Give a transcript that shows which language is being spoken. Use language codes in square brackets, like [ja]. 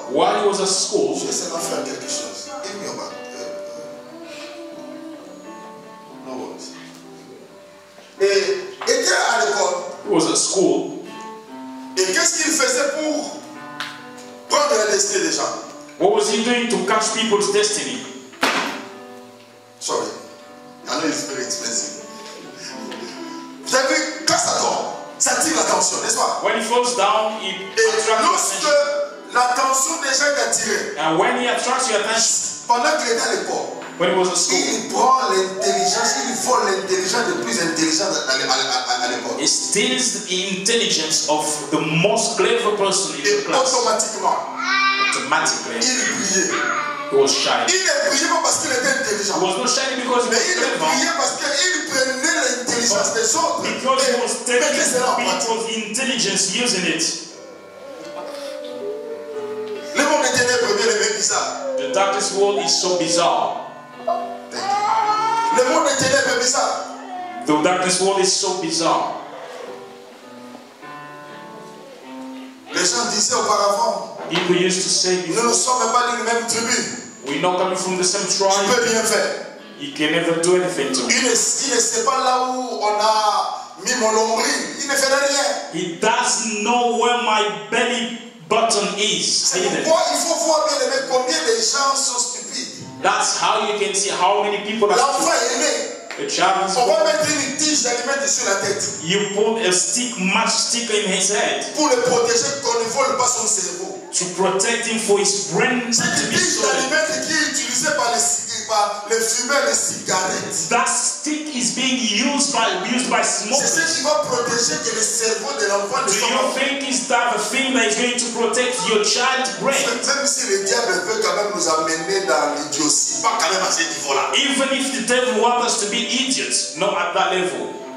[en] while he was at school, [fr] je sais pas faire quelque chose. [en] Give me your back. No words. [fr] Et était à l'école. [en] He was at school. [fr] Et qu'est-ce qu'il faisait pour prendre la destinée des gens? [en] What was he doing to catch people's destiny? Sorry, I know it's very expensive. [fr] Vous avez vu, quand ça tombe, ça attire l'attention, n'est-ce pas? [en] When he falls down, he attracts attention. [fr] Et lorsque l'attention des gens est attirée, [en] and when he attracts your attention, [fr] pendant qu'il était à l'école, [en] when he was at school, [fr] il prend l'intelligence, il vole l'intelligence le plus intelligent à l'école. [en] He steals the intelligence of the most clever person in the class. Automatically, [fr] il brillait. [en] He was shy. [fr] Il ne brillait pas parce qu'il était intelligent. [en] He was not shy because he was clever. [fr] Il brillait parce qu'il prenait l'intelligence des autres. [en] Because he was taking people's intelligence, using it. [fr] Le monde des ténèbres est bien [en] bizarre. The darkest world is so bizarre. [fr] Le monde des ténèbres est bizarre. [en] The darkest world is so bizarre. [fr] Les gens disaient auparavant. [en] People used to say, [fr] nous ne sommes pas d'une même tribu. [en] We not coming from the same tribe. [fr] Tu peux bien faire. [en] He can never do anything to me. [fr] Il ne sait pas là où on a mis mon nombril. Il ne fait rien. [en] He doesn't know where my belly button is. [fr] Pourquoi il faut voir bien aimer combien de gens sont stupides. [en] That's how you can see how many people are stupid. [fr] L'enfant aimé. [en] A child is [fr] on va mettre une tige d'aliment sur la tête. [en] You put a stick, match stick in his head. [fr] Pour le protéger qu'on ne vole pas son cerveau. [en] To protect him for his brain. [fr] Cette tige d'aliment qui est utilisée par les fumeurs de cigarettes. [en] That stick is being used by smokers. [fr] C'est ce qui va protéger que le cerveau de l'enfant ne soit pas. [en] Do you think is that the thing that is going to protect your child's brain? [fr] Même si le diable veut quand même nous amener dans l'idiotie, pas quand même à ce niveau-là. [en] Even if the devil wants us to be idiots, not at that level.